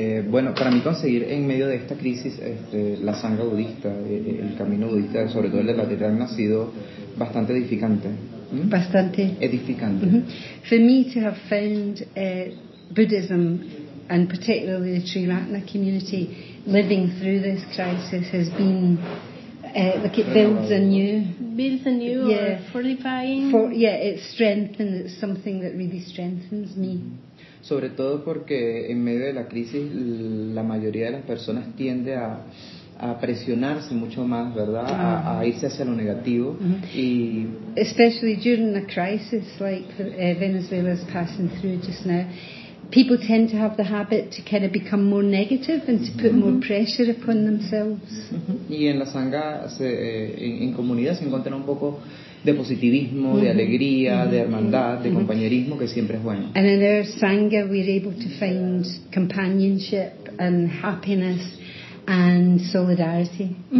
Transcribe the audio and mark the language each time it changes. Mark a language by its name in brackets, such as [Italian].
[Spanish] Bueno, para mí conseguir en medio de esta crisis la sangha budista, el camino budista, sobre todo el de la Tetragna, ha sido bastante edificante. ¿Mm? Bastante. Edificante. Mm-hmm. [English] For me to have found Buddhism, and particularly the Sri Ratna community, living through this crisis has been... like it builds anew yeah. Or fortifying. It strengthens, it's something that really strengthens me. [Spanish] Sobre todo porque en medio de la crisis la mayoría de las personas tiende a presionarse mucho más, ¿verdad? Uh-huh. A irse hacia lo negativo. Uh-huh. Y [English] especially during a crisis like Venezuela is passing through just now, people tend to have the habit to kind of become more negative and to put mm-hmm. more pressure upon themselves. [Spanish] Y en la sangha en comunidad se encuentra un poco de positivismo, mm-hmm. de alegría, mm-hmm. de hermandad, de mm-hmm. compañerismo, que siempre es bueno. [English] And in our sangha we're able to find companionship and happiness and solidarity.